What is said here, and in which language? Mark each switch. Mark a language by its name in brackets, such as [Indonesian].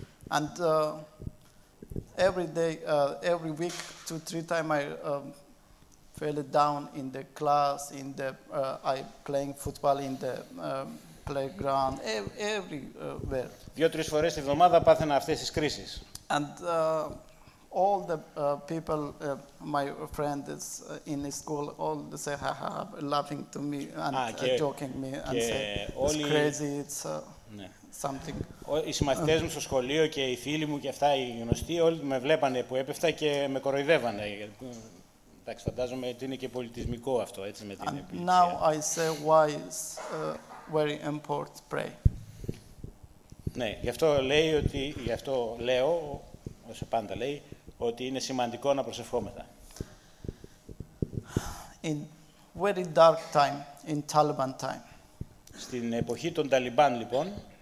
[English] And every day every week 2-3 times I fell down in the class, in the I playing football in the playground, everywhere. [Greek] 2-3 φορές τη εβδομάδα πάθαινα αυτές τις κρίσεις. [English] And all the people, my friends in the school, all the say laughing to me and joking me and say it's crazy, it's something. [Greek] Οι συμμαθητές μου στο σχολείο και οι φίλοι μου και αυτά οι γνωστοί όλοι με βλέπανε που έπεφτα και με κοροϊδεύανε. Εντάξει, φαντάζομαι ότι είναι και πολιτισμικό αυτό, έτσι, με την επιλογή. [English] Now I say why it's very important to pray. [Greek] Ναι, γι' αυτό λέει ότι, γι' αυτό λέω, όσο πάντα λέει, ότι είναι σημαντικό να προσευχόμεθα. [English] In very dark time, in Taliban time. [Greek] Στην εποχή των Ταλιμπάν, λοιπόν.